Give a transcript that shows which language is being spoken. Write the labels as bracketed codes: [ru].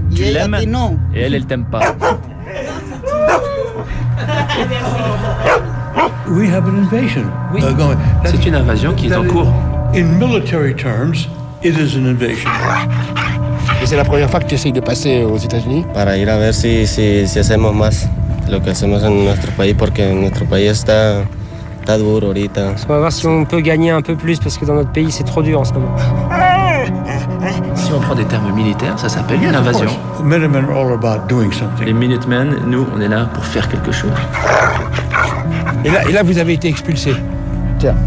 [fr] tu et l'aimes, elle, non. Et elle, elle t'aime pas. [en] We have an invasion. [fr] Oui. C'est une invasion qui est en cours. [en] In military terms, it is an invasion. [fr] Et c'est la première fois que tu essayes de passer aux États-Unis? [es] Para ir a ver si hacemos más lo que hacemos en nuestro país, porque nuestro país está duro ahorita. [fr] On va voir si on peut gagner un peu plus parce que dans notre pays c'est trop dur en ce moment. Si on prend des termes militaires, ça s'appelle une invasion. [en] Minutemen are all about doing something. [fr] Les Minutemen, nous, on est là pour faire quelque chose. Et là, vous avez été expulsé. Tiens.